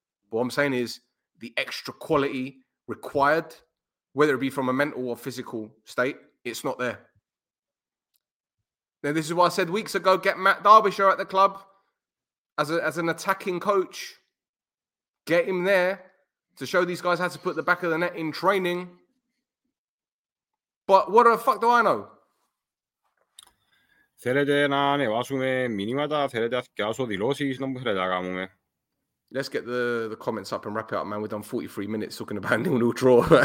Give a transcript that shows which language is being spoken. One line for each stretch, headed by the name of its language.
English: What I'm saying is the extra quality required, whether it be from a mental or physical state, it's not there. Now, this is what I said weeks ago. Get Matt Derbyshire at the club as an attacking coach. Get him there to show these guys how to put the back of the net in training. But what the fuck do I know?
Greek: Θέλετε να ανεβάσουμε μηνύματα, θέλετε να φτιάξω δηλώσεις, να μου θέλετε να κάνουμε.
English: Let's get the comments up and wrap it up, man. We've done 43 minutes talking about a 0-0 draw.